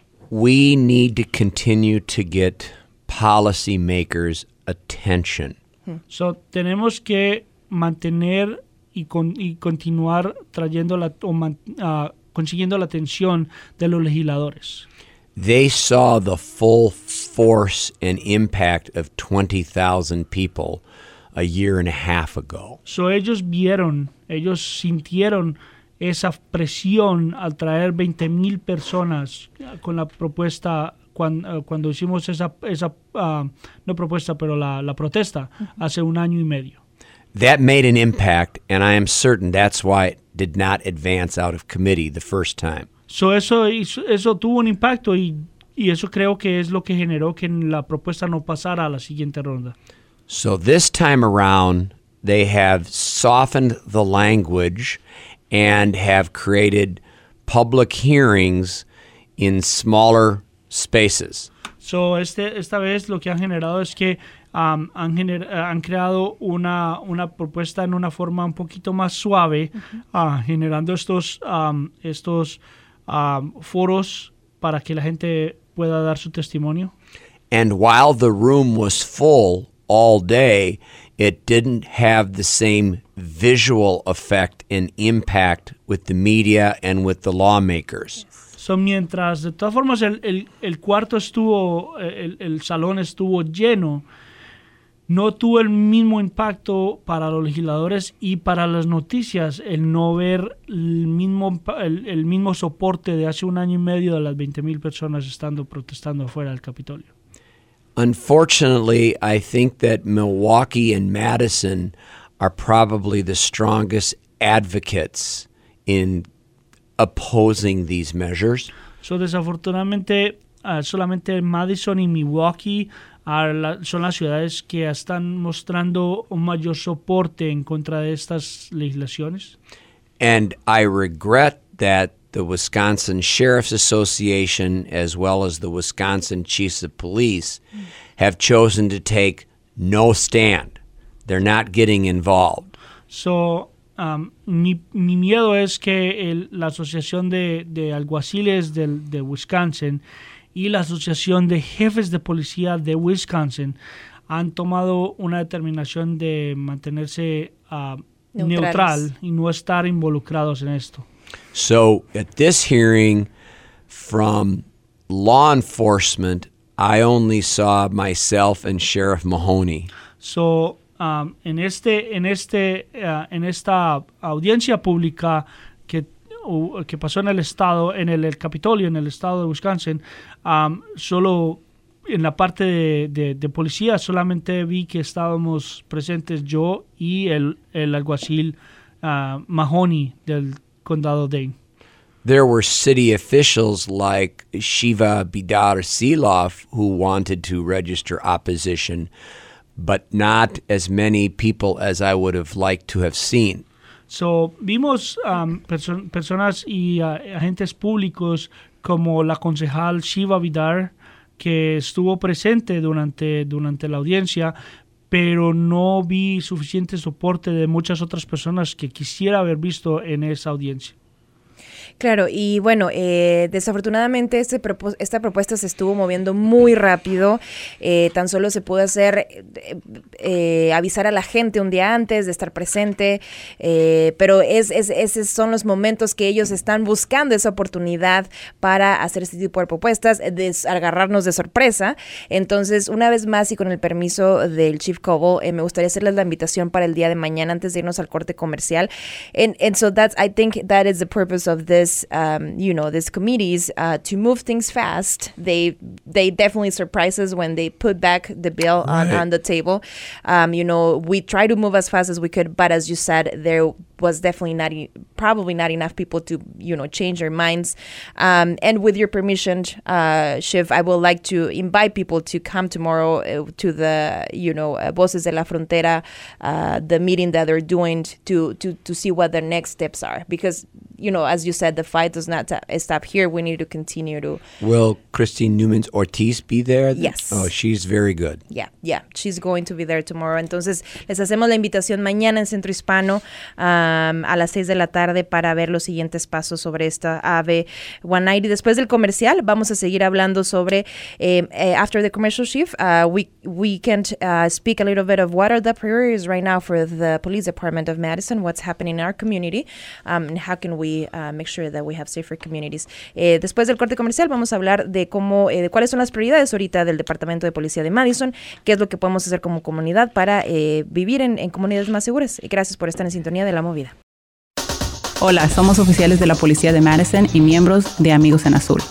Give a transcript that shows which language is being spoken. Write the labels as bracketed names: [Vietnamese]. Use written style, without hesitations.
[English] We need to continue to get policymakers' attention. [Spanish] So, tenemos que mantener y continuar trayendo la consiguiendo la atención de los legisladores. [English] They saw the full force and impact of 20,000 people a year and a half ago. [Spanish] So, ellos sintieron esa presión al traer 20,000 personas con la propuesta. Cuando hicimos la protesta hace un año y medio. [English] That made an impact, and I am certain that's why it did not advance out of committee the first time. [Spanish] So eso tuvo un impacto y eso creo que es lo que generó que la propuesta no pasara a la siguiente ronda. [English] So this time around, they have softened the language and have created public hearings in smaller spaces. [Spanish] So esta vez lo que han generado es que han creado una propuesta en una forma un poquito más suave, generando estos foros para que la gente pueda dar su testimonio. [English] And while the room was full all day, it didn't have the same visual effect and impact with the media and with the lawmakers. Yes. [Spanish] So, mientras, de todas formas, el cuarto estuvo, el salón estuvo lleno, no tuvo el mismo impacto para los legisladores y para las noticias el no ver el mismo soporte de hace un año y medio de las 20,000 personas estando protestando afuera del Capitolio. [English] Unfortunately, I think that Milwaukee and Madison are probably the strongest advocates in opposing these measures. [Spanish] So, desafortunadamente, solamente Madison y Milwaukee son las ciudades que están mostrando un mayor soporte en contra de estas legislaciones. [English] And I regret that the Wisconsin Sheriff's Association, as well as the Wisconsin Chiefs of Police, have chosen to take no stand. They're not getting involved. [Spanish] So, mi miedo es que la Asociación de Alguaciles de Wisconsin y la Asociación de Jefes de Policía de Wisconsin han tomado una determinación de mantenerse neutral y no estar involucrados en esto. [English] So, at this hearing from law enforcement, I only saw myself and Sheriff Mahoney. [Spanish] So, en esta audiencia pública que pasó en el estado, en el Capitolio, en el estado de Wisconsin, solo en la parte de policía solamente vi que estábamos presentes yo y el alguacil Mahoney del condado Dane. [English] There were city officials like Shiva Bidar Silov who wanted to register opposition, but not as many people as I would have liked to have seen. [Spanish] So, vimos personas y agentes públicos como la concejal Shiva Vidar, que estuvo presente durante la audiencia, pero no vi suficiente soporte de muchas otras personas que quisiera haber visto en esa audiencia. Claro, y bueno, desafortunadamente esta propuesta se estuvo moviendo muy rápido. Tan solo se pudo hacer avisar a la gente un día antes de estar presente, pero esos son los momentos que ellos están buscando esa oportunidad para hacer este tipo de propuestas, agarrarnos de sorpresa. Entonces, una vez más y con el permiso del Chief Cobo, me gustaría hacerles la invitación para el día de mañana antes de irnos al corte comercial. [English] And so that's, I think that is the purpose of this, you know, this committees to move things fast. They definitely surprise us when they put back the bill on the table. You know, we try to move as fast as we could, but as you said, there was definitely probably not enough people to, you know, change their minds. And with your permission, Shiv, I would like to invite people to come tomorrow to the, you know, Voces de la Frontera, the meeting that they're doing to see what their next steps are. Because, you know, as you said, the fight does not stop here. We need to continue to... Will Christine Newmans Ortiz be there? Yes. Oh, she's very good. Yeah, yeah. She's going to be there tomorrow. [Spanish] Entonces, les hacemos la invitación mañana en Centro Hispano a las 6 de la tarde para ver los siguientes pasos sobre esta AVE 190. Después del comercial, vamos a seguir hablando sobre... [English] after the commercial shift, we can speak a little bit of what are the priorities right now for the Police Department of Madison, what's happening in our community, and how can we make sure that we have safer communities. [Spanish] Después del corte comercial, vamos a hablar de cómo, de cuáles son las prioridades ahorita del Departamento de Policía de Madison, qué es lo que podemos hacer como comunidad para vivir en comunidades más seguras. Y gracias por estar en sintonía de La Movida. Hola, somos oficiales de la Policía de Madison y miembros de Amigos en Azul.